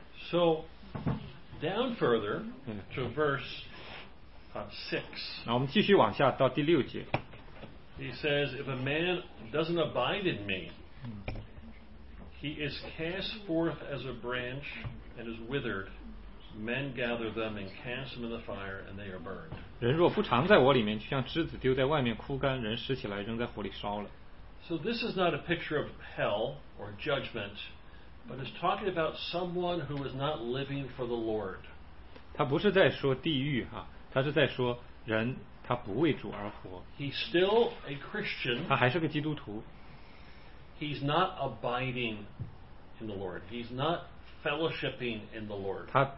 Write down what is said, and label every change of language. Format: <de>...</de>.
<zh>养分啊，阳光啊，湿度啊，就都更好一些，就让它能够比平常的条件更容易生长。</zh> <en>So down further to verse 6.</en> <zh>那我们继续往下到第六节。</zh> <en>He says, if a man doesn't abide in me, he is cast forth as a branch and is withered. Men gather them and cast them in the fire, and they are burned.</en> <zh>人若不常在我里面，就像枝子丢在外面枯干，人拾起来扔在火里烧了。</zh> <en>So this is not a picture of hell or judgment, but is talking about someone who is not living for the Lord.</en> <zh>他不是在说地狱，他是在说人，他不为主而活。</zh> <en>He's still a Christian.</en> <zh>他还是个基督徒。</zh> <en>He's not abiding in the Lord. He's not fellowshipping in the Lord.</en>